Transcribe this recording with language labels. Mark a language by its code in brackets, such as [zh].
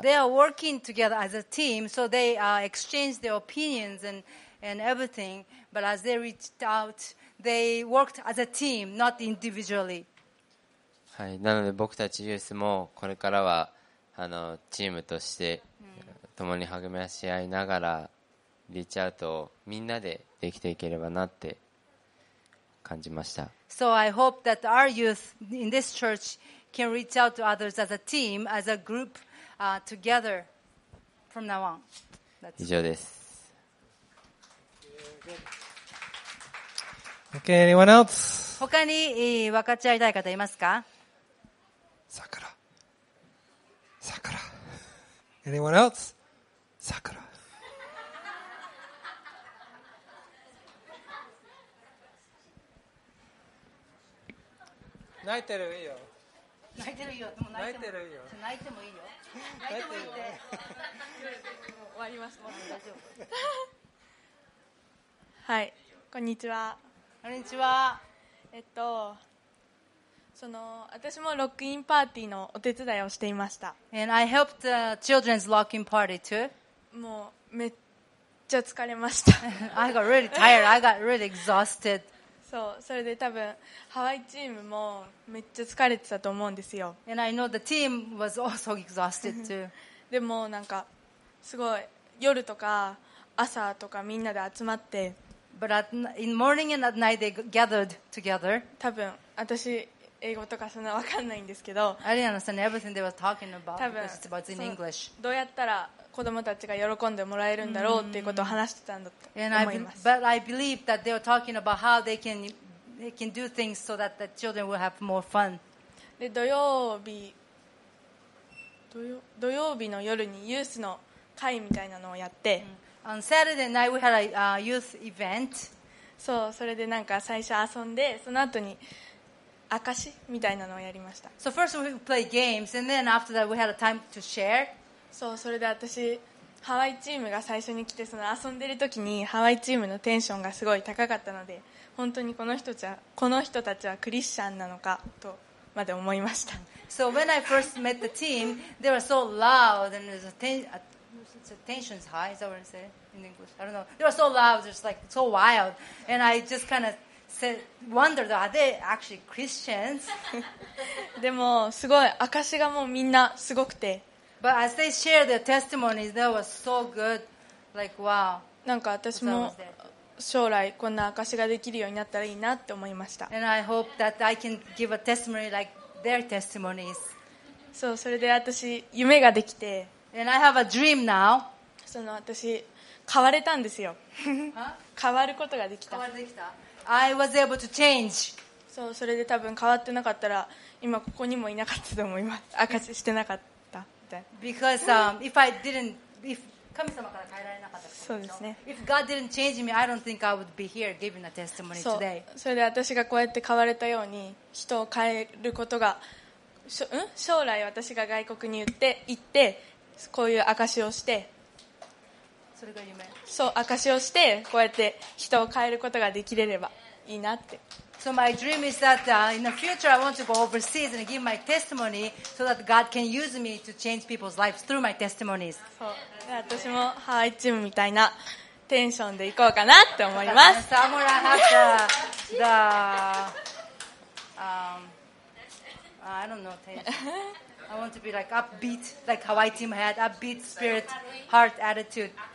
[en] So they are working together as a team, so they exchange their opinions and everything, but as they reached out, they worked as a team, not individually. [ja] はい、なので僕たちユースもこれからはチームとして共に励まし合いながらリーチアウトをみんなでできていければなって感じました。 [en] So I hope that our youth in this church can reach out to others as a team, as a group, together from now on. [ja] 以上です。 [en] Okay, anyone else? [ja] 他に分かち合いたい方いますか？桜。桜。 [en] Anyone else? [ja] 桜。泣いてるいいよ。泣いてるいいよ。泣いてるいいよ。泣いてもいいよ。泣いてもいいって。終わります。もう大丈夫。はい。こんにちは。こんにちは。私もロックインパーティーのお手伝いをしていました。 [en] And I helped the children's lock in party too. [ja] もうめっちゃ疲れました。 [en] I got really tired. I got really exhausted. [ja] そう、それで多分ハワイチームもめっちゃ疲れてたと思うんですよ。 [en] And I know the team was also exhausted too. [ja] でもなんかすごい夜とか朝とかみんなで集まって、 [en] But at in morning and at night they gathered together. [ja] 多分私英語とかそんな分かんないんですけど、 [en] I didn't understand everything they were talking about because it's about in English. [ja] どうやったら子供たちが喜んでもらえるんだろうっていうことを話してたんだと思います。 [en] But I believe that they were talking about how they can do things so that the children will have more fun. [ja] で土曜日の夜にユースの会みたいなのをやって、 [en] On Saturday night we had a youth event. [ja] そう、それでなんか最初遊んでその後に証みたいなのをやりました。 [en] So first we play games and then after that we had a time to share. [ja] そう、それで私ハワイチームが最初に来てその遊んでる時にハワイチームのテンションがすごい高かったので本当にこの人たちはクリスチャンなのかとまで思いました。 [en] So when I first met the team they were so loud and the tension's high, is that what I say in English? I don't know, they were so loud, just like so wild, and I just kind of wondered, are they actually Christians? [ja] でもすごい証がもうみんなすごくて、 [en] But as they shared their testimonies, that was so good. Like, wow. [ja] なんか私も将来こんな証ができるようになったらいいなって思いました。 [en] And I hope that I can give a testimony like their testimonies. [ja] そう、それで私夢ができて。 [en] And I have a dream now. [ja] その私変われたんですよ。変わることができた。変わできた。 [en] I was able to change. [ja] そう、それで多分変わってなかったら今ここにもいなかったと思います。証してなかった。 [en] Because if I didn't, if [ja] 神様から変えられなかったそうですね。 [en] If God didn't change me, I don't think I would be here giving a testimony today. [ja] それで私がこうやって変われたように人を変えることが、将来私が外国に行ってこういう証しをして、それが夢。そう、証しをして、こうやって人を変えることができれればいいなって。 [en] So my dream is that in the future I want to go overseas and give my testimony so that God can use me to change people's lives through my testimonies. [ja] そう、で私もハワイチームみたいなテンションで行こうかなって思います。 [en] サモラハッタ、I don't know tension. I want to be like upbeat, like Hawaii team had upbeat spirit, heart attitude.